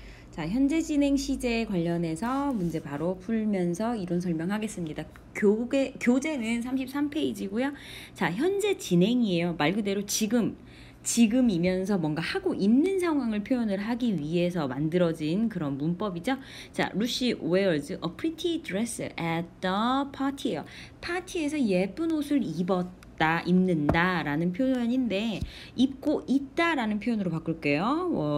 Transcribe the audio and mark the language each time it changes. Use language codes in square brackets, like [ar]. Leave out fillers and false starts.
[ko] 자, 현재 진행 시제에 관련해서 문제 바로 풀면서 이론 설명하겠습니다. 교재는 33페이지고요. 자, 현재 진행이에요. 말 그대로 지금이면서 뭔가 하고 있는 상황을 표현을 하기 위해서 만들어진 그런 문법이죠. 자, [en] Lucy wears a pretty dress at the party예요. [ko] 파티에서 예쁜 옷을 입는다라는 표현인데, 입고 있다라는 표현으로 바꿀게요.